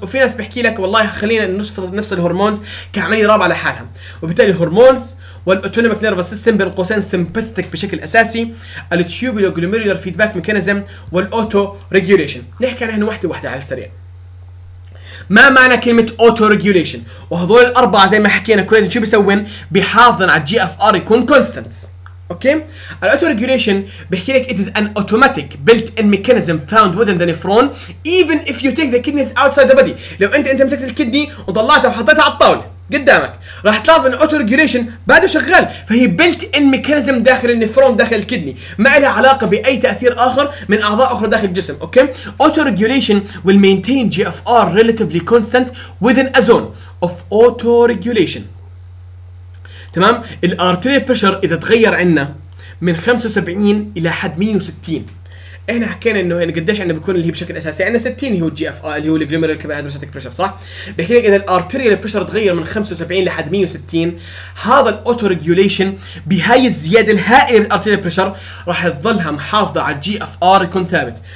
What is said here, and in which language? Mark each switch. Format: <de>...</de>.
<ar>وفي ناس بيحكي لك والله خلينا نفس الهرمونز كعمليه رابعه لحالها، وبالتالي الهرمونز والاوتونوميك نيرفس سيستم بين قوسين سمبثتك بشكل اساسي، التيوبولو جلوميرولر فيدباك ميكانيزم والاوتو ريجوليشن. نحكي عنهم واحده واحده على السريع. ما معنى كلمة اوتو ريجوليشن؟ وهذول الأربعة زي ما حكينا كل شو بيسوون؟ بحافظن على الجي اف ار يكون كونستنت. اوكي الاوتو ريجوليشن بيحكي لك</ar> <en>it is an automatic built in mechanism found within the nephron even if you take the kidneys outside the body.</en> <ar>لو انت مسكت الكدني وطلعتها وحطيتها على الطاوله قدامك راح تلاحظ ان الاوتو ريجوليشن بعده شغال, فهي</ar> <en>built in mechanism</en> <ar>داخل النفرون داخل الكدني, ما لها علاقه باي تاثير اخر من اعضاء اخرى داخل الجسم.</ar> <en>Okay auto regulation will maintain GFR relatively constant within a zone of auto regulation.</en> <ar>تمام الارتيري بريشر اذا تغير عندنا من 75 الى حد 160, احنا حكينا انه يعني قديش عندنا بيكون اللي هي بشكل اساسي عندنا 60 هو جي اف ار اللي هو الجلوميرولر كاباسيتي بريشر صح. بحكي لك اذا الارتيري بريشر تغير من 75 لحد 160 هذا الاوتو ريجوليشن بهاي الزياده الهائله بالارتيري بريشر راح تظلها محافظه على جي اف ار يكون ثابت.</ar>